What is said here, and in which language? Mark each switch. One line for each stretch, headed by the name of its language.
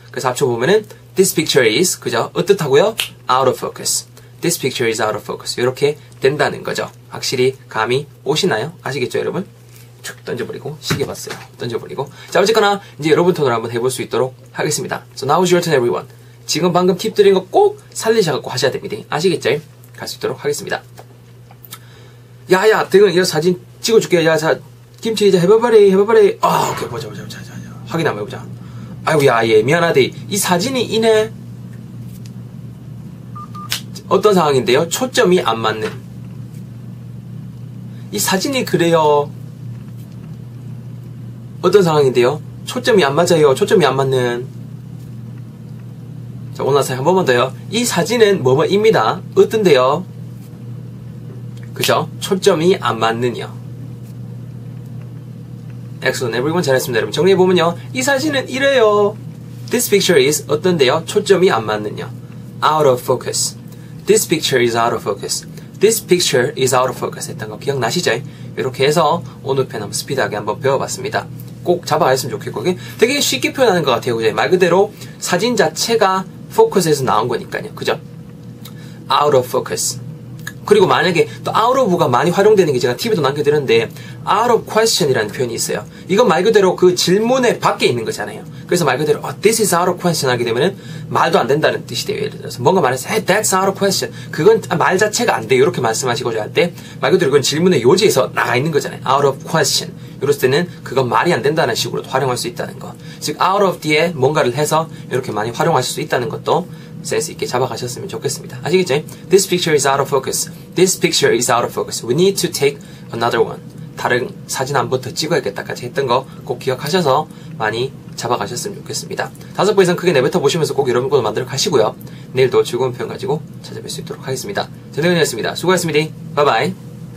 Korean: 그래서 합쳐보면은
English: this picture is
Korean: 그죠? 으뜻하고요.
English: out of focus this picture is out of focus 이렇게 된다는 거죠.
Korean: 확실히 감이 오시나요? 아시겠죠 여러분? 쭉 던져버리고 시계 봤어요. 던져버리고 자 어쨌거나 이제 여러분 톤으로 한번 해볼 수 있도록 하겠습니다.
English: So now's your turn everyone.
Korean: 지금 방금 팁 드린 거 꼭 살리셔서 하셔야 됩니다. 아시겠죠? 갈 수 있도록 하겠습니다. 야야 등은 이거 사진 찍어줄게요. 야, 자 김치 이제 해봐버리 아 오케이 보자 확인 한번 해보자. 아이고야 예 미안하대. 이 사진이 이네 어떤 상황인데요? 초점이 안 맞는 이 사진이 그래요. 어떤 상황인데요? 초점이 안 맞아요. 초점이 안 맞는 자 원하세요 한 번만 더요. 이 사진은 뭐뭐입니다. 어떤데요? 그죠? 초점이 안 맞는요.
English: Excellent, everyone.
Korean: 잘했습니다, 여러분. 정리해보면요. 이 사진은 이래요.
English: This picture is
Korean: 어떤데요? 초점이 안 맞는요.
English: Out of focus. This picture is out of focus. This picture is out of focus.
Korean: 했던 거 기억나시죠? 이렇게 해서 오늘 편 한번 스피드하게 한번 배워봤습니다. 꼭 잡아가셨으면 좋겠고. 되게 쉽게 표현하는 것 같아요. 그죠? 말 그대로 사진 자체가 focus에서 나온 거니까요. 그죠?
English: Out of focus.
Korean: 그리고 만약에 또 out of가 많이 활용되는 게 제가 TV도 남겨드렸는데 out of question이라는 표현이 있어요. 이건 말 그대로 그 질문에 밖에 있는 거잖아요. 그래서 말 그대로
English: oh, this is out of question
Korean: 하게 되면은 말도 안 된다는 뜻이 돼요. 예를 들어서 뭔가 말해서
English: hey, that's out of question
Korean: 그건 말 자체가 안 돼 이렇게 말씀하시고자 할 때 말 그대로 그건 질문의 요지에서 나가 있는 거잖아요. out of question 이럴 때는 그건 말이 안 된다는 식으로 활용할 수 있다는 거. 즉 out of 뒤에 뭔가를 해서 이렇게 많이 활용하실 수 있다는 것도 센스 있게 잡아가셨으면 좋겠습니다. 아시겠죠?
English: This picture is out of focus. This picture is out of focus. We need to take another one.
Korean: 다른 사진 한 번 더 찍어야겠다까지 했던 거 꼭 기억하셔서 많이 잡아가셨으면 좋겠습니다. 다섯 번 이상 크게 내뱉어 보시면서 꼭 여러분 것도 만들어 가시고요. 내일도 즐거운 표현 가지고 찾아뵐 수 있도록 하겠습니다. 전혜원이었습니다. 수고하셨습니다.
English: Bye bye.